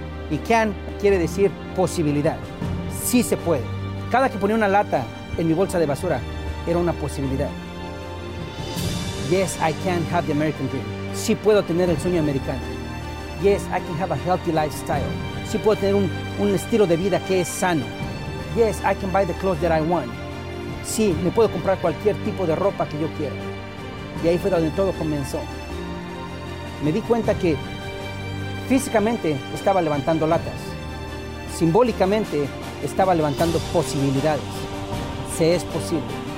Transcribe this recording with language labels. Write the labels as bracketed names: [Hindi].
[Spanish] Y can quiere decir posibilidad. Sí se puede. Cada que ponía una lata en mi bolsa de basura, era una posibilidad. [English] Yes, I can have the American dream. [Spanish] Sí puedo tener el sueño americano. [English] Yes, I can have a healthy lifestyle. [Spanish] Sí puedo tener un estilo de vida que es sano. [English] Yes, I can buy the clothes that I want. [Spanish] Sí, me puedo comprar cualquier tipo de ropa que yo quiera. Y ahí fue donde todo comenzó. Me di cuenta que físicamente estaba levantando latas. Simbólicamente estaba levantando posibilidades. Se es posible.